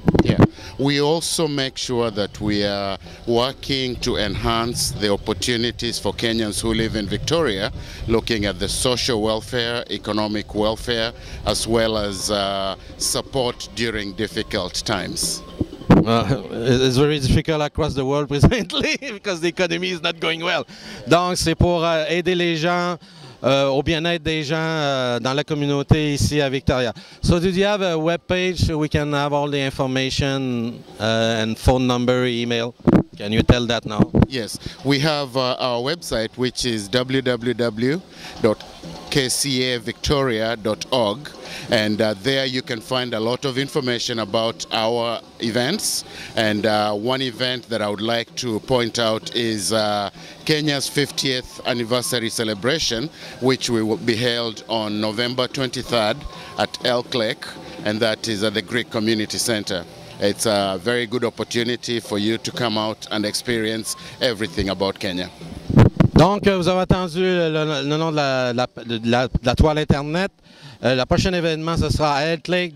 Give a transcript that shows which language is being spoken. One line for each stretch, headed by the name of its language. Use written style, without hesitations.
English: Yeah, we also make sure that we are working to enhance the opportunities for Kenyans who live in Victoria, looking at the social welfare, economic welfare, as well as support during difficult times. It's very difficult across the world presently because the economy is not going well.
French: Donc c'est pour aider les gens au bien-être des gens dans la communauté ici à Victoria.
English: So, do you have a web page so we can have all the information and phone number, email? Can you tell that now? Yes, we have our website, which is www.kcavictoria.org, and there you can find a lot of information about our events. And one event that I would like to point out is Kenya's 50th anniversary celebration, which will be held on November 23rd at Elk Lake, and that is at the Greek Community Center. It's a very good opportunity for you to come out and experience everything about Kenya.
French: Donc, vous avez entendu le nom de la toile Internet. Le prochain événement, ce sera à Elk Lake.